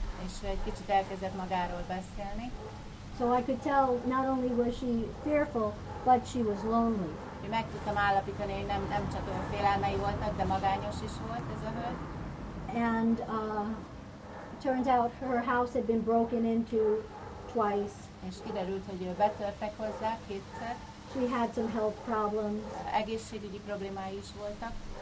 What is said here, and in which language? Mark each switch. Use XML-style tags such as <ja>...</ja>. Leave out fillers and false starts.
<hu>És egy kicsit elkezdett magáról beszélni.</hu> <en>So I could tell not only was she fearful, but she was lonely.</en> <hu>Én meg tudtam állapítani, hogy nem csak olyan félelmei voltak, de magányos is volt ez a hölgy.</hu> <en>And turns out her house had been broken into twice.</en> <hu>És kiderült, hogy betörtek hozzá kétszer.</hu> <en>She had some health problems.</en> <hu>Egészségügyi problémái is voltak.</hu>